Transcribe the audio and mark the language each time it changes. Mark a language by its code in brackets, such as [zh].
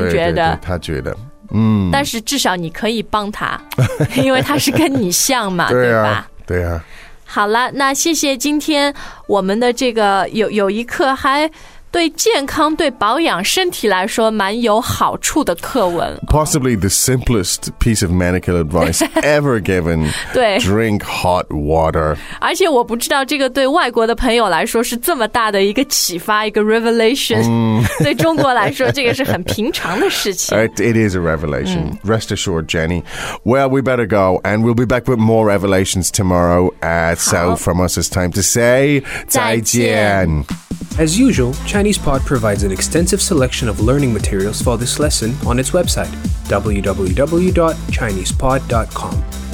[zh] 对他觉得但是至少你可以帮他因为他是跟你像嘛对吧对啊好了那谢谢今天我们的这个有一课还对健康对保养身体来说蛮有好处的课文 [en] Possibly the simplest piece of medical advice ever given [zh] 对 [en] Drink hot water [zh] 而且我不知道这个对外国的朋友来说是这么大的一个启发一个 revelation 对中国来说这个是很平常的事情 [en] It is a revelation Rest assured Jenny Well we better go And we'll be back with more revelations tomorrow So from us it's time to say [zh] 再见 [en] As usual, ChinesePod provides an extensive selection of learning materials for this lesson on its website, www.chinesepod.com.